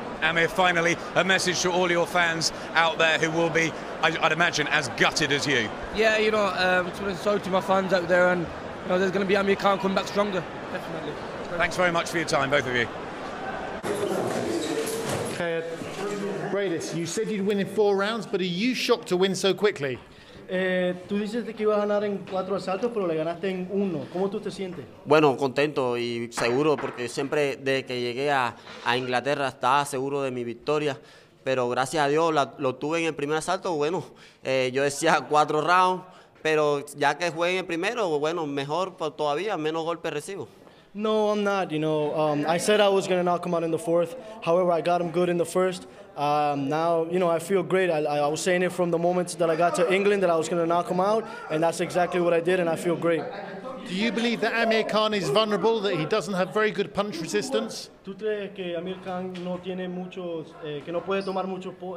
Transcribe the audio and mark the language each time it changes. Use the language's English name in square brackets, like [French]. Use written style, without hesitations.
[English] Amir, finally, a message to all your fans out there who will be, I'd imagine, as gutted as you. Yeah, you know, sorry to my fans out there, and, you know, there's going to be Amir Khan coming back stronger, definitely. Thanks very much for your time, both of you. Okay, Breidis, you said you'd win in four rounds, but are you shocked to win so quickly? [Spanish] Tú dices que ibas a ganar en cuatro asaltos, pero le ganaste en uno. ¿Cómo tú te sientes? Bueno, contento y seguro, porque siempre desde que llegué a Inglaterra estaba seguro de mi victoria. Pero gracias a Dios lo tuve en el primer asalto. Bueno, yo decía cuatro rounds, pero ya que jugué en el primero, bueno, mejor todavía, menos golpes recibo. [English] No, I'm not. You know, I said I was going to knock him out in the fourth. However, I got him good in the first. Now, you know, I feel great. I was saying it from the moment that I got to England that I was going to knock him out, and that's exactly what I did, and I feel great. Do you believe that Amir Khan is vulnerable, that he doesn't have very good punch resistance? [Spanish] ¿Tú crees que Amir Khan no tiene muchos, que no puede tomar mucho